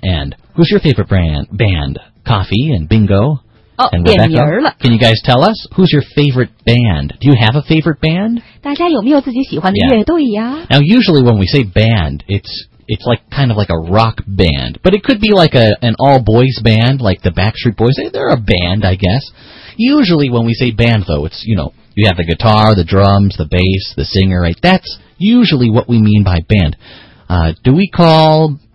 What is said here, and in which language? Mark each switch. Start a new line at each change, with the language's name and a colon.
English: And who's your favorite band, Coffee and Bingo?
Chinese: Oh, 点名了。
English: Can you guys tell us who's your favorite band? Do you have a favorite band?
Chinese: 大家有没有自己喜欢的乐队呀？
English: Yeah. Now, usually when we say band, it's like kind of like a rock band. But it could be like an all-boys band, like the Backstreet Boys. They're a band, I guess. Usually when we say band, though, it's, you know, you have the guitar, the drums, the bass, the singer, right? That's usually what we mean by band. Do we call...